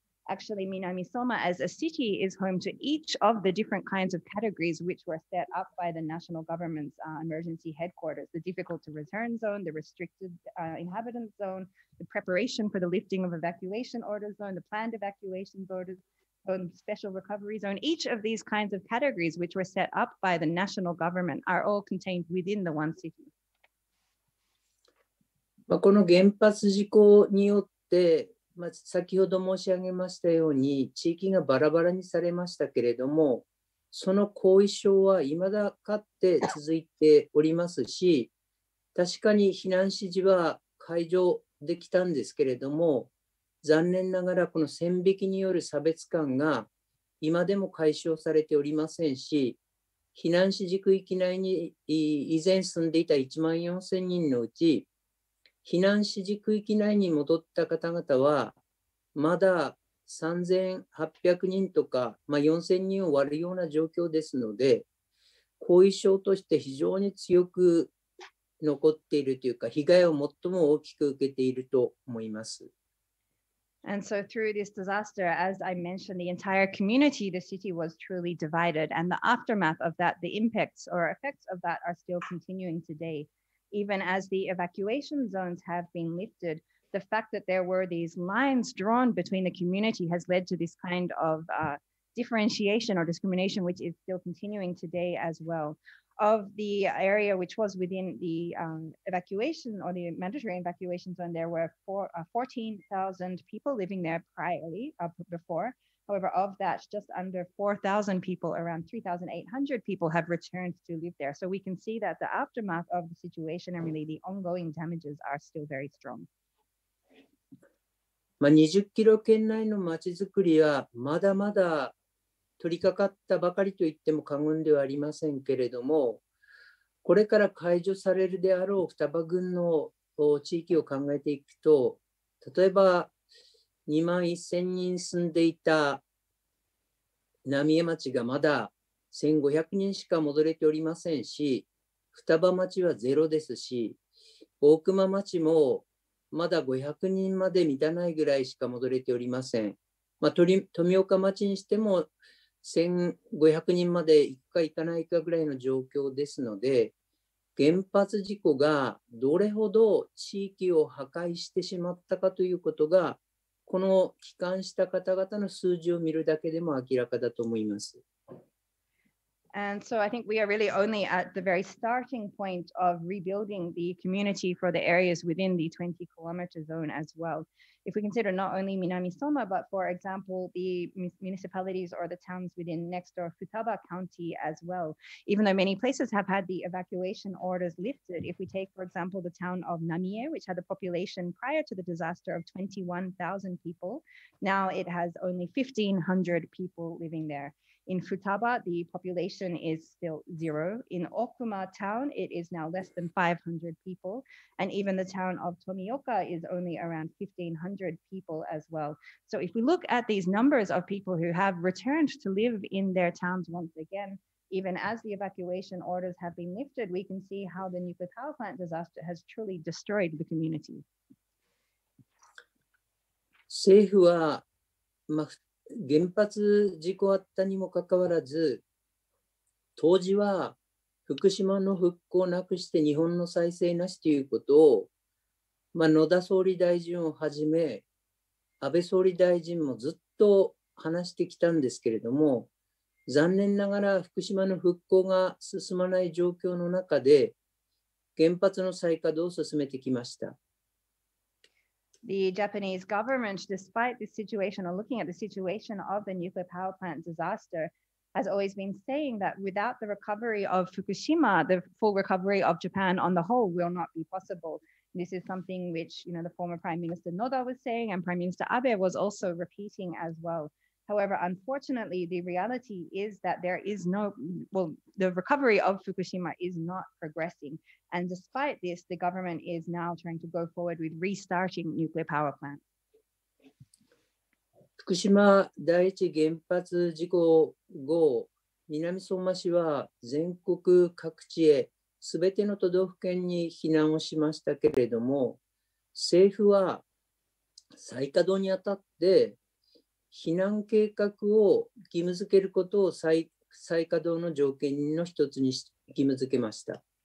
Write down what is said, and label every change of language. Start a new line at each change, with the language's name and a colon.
English: Actually, Minami Soma as a city is home to each of the different kinds of categories which were set up by the national government's emergency headquarters, the difficult to return zone, the restricted inhabitant zone, the preparation for the lifting of evacuation order zone, the planned evacuation order zone, special recovery zone. Each of these kinds of categories which were set up by the national government are all contained within the one city.
Japanese: この原発事故によってまず先ほど申し上げましたように地域がバラバラにされましたけれども、その後遺症は未だかって続いておりますし、確かに避難指示は解除できたんですけれども、残念ながらこの線引きによる差別感が今でも解消されておりませんし、避難指示区域内に以前住んでいた1万4千人のうち避難指示区域内に戻った方々はまだ3800人とか、まあ、4千人を割るような状況ですので、後遺症として非常に強く残っているというか、被害を最も大きく受けていると思います。
English: And so through this disaster, as I mentioned, the entire community, the city was truly divided. And the aftermath of that, the impacts or effects of that are still continuing today. Even as the evacuation zones have been lifted, the fact that there were these lines drawn between the community has led to this kind of differentiation or discrimination, which is still continuing today as well. Of the area which was within the evacuation or the mandatory evacuation zone, there were 14,000 people living there priorly before. However, of that, just under 4,000 people, around 3,800 people have returned to live there. So we can see that the aftermath of the situation and really the ongoing damages are still very strong.
Japanese: まあ、20キロ圏内の街づくりはまだまだ取り掛かったばかりといっても過言ではありませんけれども、これから解除されるであろう双葉郡の地域を考えていくと、例えば2万1000人住んでいた浪江町がまだ1500人しか戻れておりませんし、双葉町はゼロですし、大熊町もまだ500人まで満たないぐらいしか戻れておりません。まあ、富岡町にしても1500人まで行くか行かないかぐらいの状況ですので、原発事故がどれほど地域を破壊してしまったかということが、この帰還した方々の数字を見るだけでも明らかだと思います。
English: And so I think we are really only at the very starting point of rebuilding the community for the areas within the 20 kilometer zone as well. If we consider not only Minamisoma, but for example, the municipalities or the towns within next door Futaba County as well, even though many places have had the evacuation orders lifted, if we take, for example, the town of Namie, which had a population prior to the disaster of 21,000 people, now it has only 1,500 people living there. In Futaba, the population is still zero. In Okuma town, it is now less than 500 people. And even the town of Tomioka is only around 1,500 people as well. So if we look at these numbers of people who have returned to live in their towns once again, even as the evacuation orders have been lifted, we can see how the nuclear power plant disaster has truly destroyed the community.
Japanese: 政府は、原発事故あったにもかかわらず、当時は福島の復興なくして日本の再生なしということを、まあ、野田総理大臣をはじめ安倍総理大臣もずっと話してきたんですけれども、残念ながら福島の復興が進まない状況の中で原発の再稼働を進めてきました。
English: The Japanese government, despite the situation or looking at the situation of the nuclear power plant disaster, has always been saying that without the recovery of Fukushima, the full recovery of Japan on the whole will not be possible. This is something which, you know, the former Prime Minister Noda was saying and Prime Minister Abe was also repeating as well. However, unfortunately, the reality is that there is no, well, the recovery of Fukushima is not progressing. And despite this, the government is now trying to go forward with restarting nuclear power plant.
Japanese: 福島第一原発事故後、南相馬市は全国各地へ全ての都道府県に避難をしましたけれども、政府は再稼働にあたって避難計画を義務付けることを 再稼働の条件の一つに義務付けました。